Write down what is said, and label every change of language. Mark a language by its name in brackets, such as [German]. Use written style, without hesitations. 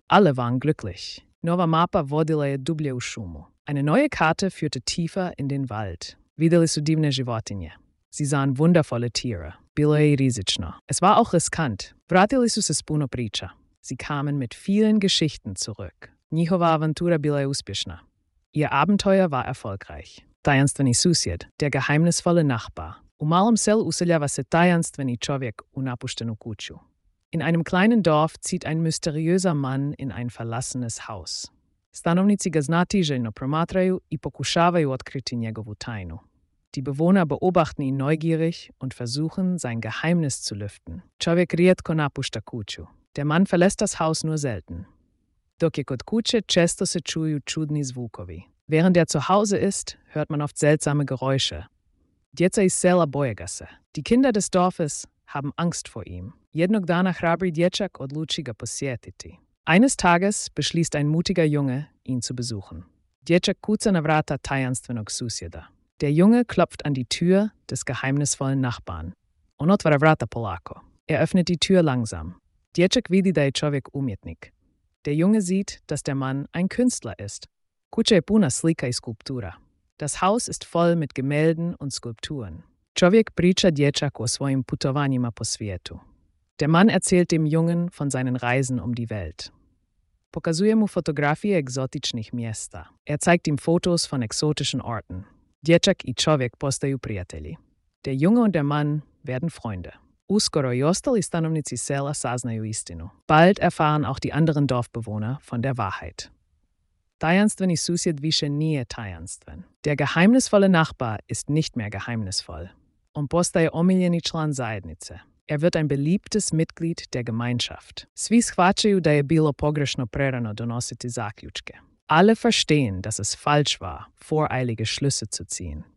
[German] Alle waren glücklich. [Croatian] Nova mapa vodila je dublje u šumu. [German] Eine neue Karte führte tiefer in den Wald. [Croatian] Videli su divne životinje. [German] Sie sahen wundervolle Tiere. [Croatian] Bilo je rizično. [German] Es war auch riskant. [Croatian] Vratili su se s puno priča. [German] Sie kamen mit vielen Geschichten zurück. [Croatian] Njihova avantura bila je uspješna. [German] Ihr Abenteuer war erfolgreich. [Croatian] Tajanstveni susjed, [German] der geheimnisvolle Nachbar. [Croatian] U malom selu useljava se tajanstveni čovjek u napuštenu kuću. [German] In einem kleinen Dorf zieht ein mysteriöser Mann in ein verlassenes Haus. [Croatian] Stanovnici ga znatiželjno promatraju i pokušavaju otkriti njegovu tajnu. [German] Die Bewohner beobachten ihn neugierig und versuchen, sein Geheimnis zu lüften. [Croatian] Čovjek rijetko napušta kuću. [German] Der Mann verlässt das Haus nur selten. [Croatian] Dok je kod kuće, često se čuju čudni zvukovi. [German] Während er zu Hause ist, hört man oft seltsame Geräusche. [Croatian] Djeca iz sela boje ga se. [German] Die Kinder des Dorfes haben Angst vor ihm. [Croatian] Jednog dana hrabri dječak odluči ga posjetiti. [German] Eines Tages beschließt ein mutiger Junge, ihn zu besuchen. [Croatian] Dječak kuca na vrata tajanstvenog susjeda. [German] Der Junge klopft an die Tür des geheimnisvollen Nachbarn. [Croatian] On otvara vrata polako. [German] Er öffnet die Tür langsam. [Croatian] Dječak vidi da je čovjek umjetnik. [German] Der Junge sieht, dass der Mann ein Künstler ist. [Croatian] Kuća je puna slika i skulptura. [German] Das Haus ist voll mit Gemälden und Skulpturen. [Croatian] Čovjek priča dječaku o svojim putovanjima po svijetu. [German] Der Mann erzählt dem Jungen von seinen Reisen um die Welt. [Croatian] Pokazuje mu fotografije egzotičnih mjesta. [German] Er zeigt ihm Fotos von exotischen Orten. [Croatian] Dječak i čovjek postaju prijatelji. [German] Der Junge und der Mann werden Freunde. [Croatian] Uskoro i ostali stanovnici sela saznaju istinu. [German] Bald erfahren auch die anderen Dorfbewohner von der Wahrheit. [Croatian] Tajanstveni susjed više nije tajanstven. [German] Der geheimnisvolle Nachbar ist nicht mehr geheimnisvoll. [Croatian] On postaje omiljeni član zajednice. [German] Er wird ein beliebtes Mitglied der Gemeinschaft. [Croatian] Svi shvaćaju da je bilo pogrešno prerano donositi zaključke. [German] Alle verstehen, dass es falsch war, voreilige Schlüsse zu ziehen.